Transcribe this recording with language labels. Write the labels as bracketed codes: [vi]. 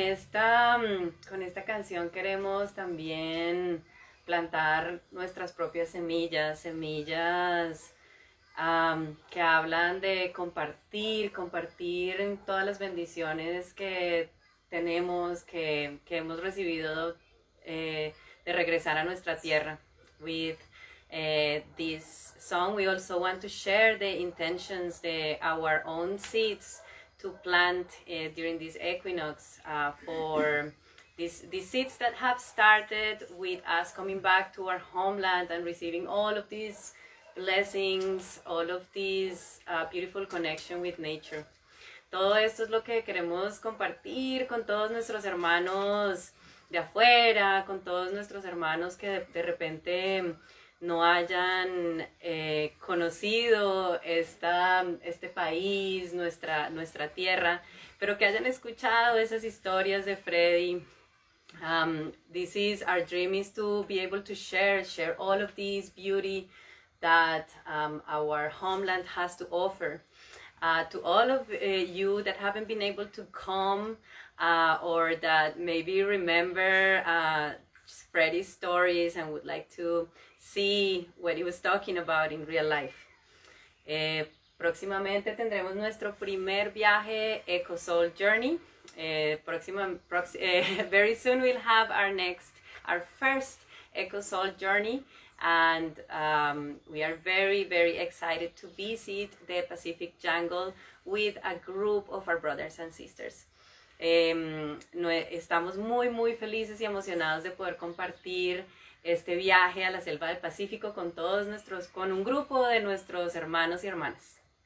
[es] Con esta canción queremos también plantar nuestras propias semillas que hablan de compartir todas las bendiciones que tenemos, que hemos recibido de regresar a nuestra tierra. [en] With this song, we also want to share the intentions de our own seeds to plant during this equinox for these seeds that have started with us coming back to our homeland and receiving all of these blessings, all of these beautiful connection with nature. [es] Todo esto es lo que queremos compartir con todos nuestros hermanos de afuera, con todos nuestros hermanos que de repente no hayan conocido este país, nuestra tierra, pero que hayan escuchado esas historias de Freddy. [en] This is our dream, is to be able to share all of this beauty that our homeland has to offer to all of you that haven't been able to come or that maybe remember Freddy's stories and would like to see what he was talking about in real life. [es] Próximamente tendremos nuestro primer viaje Eco Soul Journey. [en] Very soon we'll have our first Eco Soul Journey, and we are very, very excited to visit the Pacific Jungle with a group of our brothers and sisters. [es] Estamos muy, muy felices y emocionados de poder compartir este viaje a la selva del Pacífico con un grupo de nuestros hermanos y hermanas.